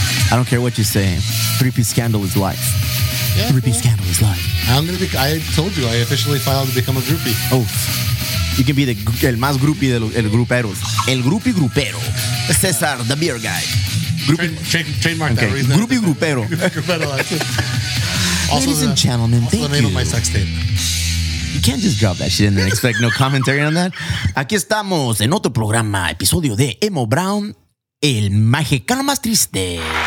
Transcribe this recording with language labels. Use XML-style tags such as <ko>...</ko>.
<en>I don't care what you're saying. Three-piece scandal is life. Yeah, three-piece scandal is life. I told you, I officially filed to become a groupie. Oh. You can be the</en> <es>el más groupie de los el gruperos. El groupie grupero. Cesar,</es> <en>the beer guy. Trademark okay. That. Groupie grupero. Ladies and gentlemen, thank you. The name of my sex tape. You can't just drop that shit in there. Expect no commentary on that.</en> <es>Aquí estamos en otro programa, episodio de Emo Brown, el mexicano más triste.</es>